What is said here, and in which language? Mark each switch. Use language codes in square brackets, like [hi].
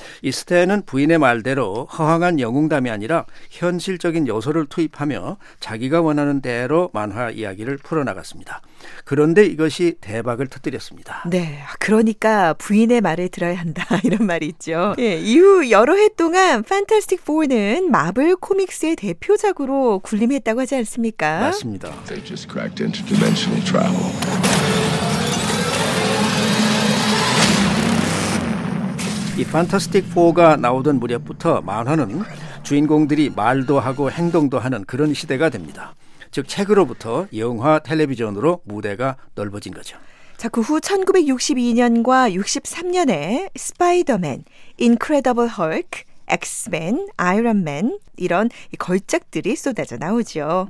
[ko] 이 스탠은 부인의 말대로 허황한 영웅담이 아니라 현실적인 요소를 투입하며 자기가 원하는 대로 만화 이야기를 풀어나갔습니다. 그런데 이것이 대박을 터뜨렸습니다. 네, 그러니까 부인의 말을 들어야 한다 이런 말이 있죠. 예, 이후 여러 해 동안 판타스틱 4는 마블 코믹스의 대표작으로 군림했다고 하지 않습니까? 맞습니다. [en] They just cracked interdimensional travel. [ko] Fantastic Four가 나오던 무렵부터 만화는 주인공들이 말도 하고 행동도 하는 그런 시대가 됩니다. 즉 책으로부터 영화, 텔레비전으로 무대가 넓어진 거죠. 자, 그 후 1962년과 63년에 스파이더맨, 인크레더블 헐크, 엑스맨, 아이언맨 이런 걸작들이 쏟아져 나오죠.